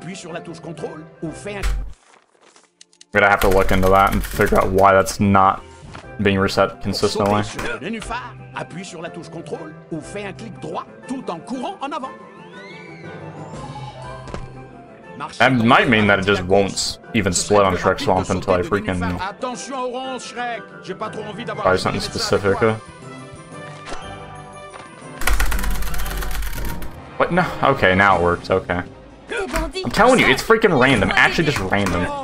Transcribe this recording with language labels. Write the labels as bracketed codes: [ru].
[en] I'm gonna have to look into that and figure out why that's not being reset consistently. [fr] Appuie sur la touche contrôle ou fais un clic droit tout en courant en avant. [en] That might mean that it just won't even split on Shrek Swamp until I freaking [fr] attention orange Shrek. J'ai pas trop envie d'avoir [en] try something specific. What? No. Okay, now it works. Okay. I'm telling you, it's freaking random. Actually, just random.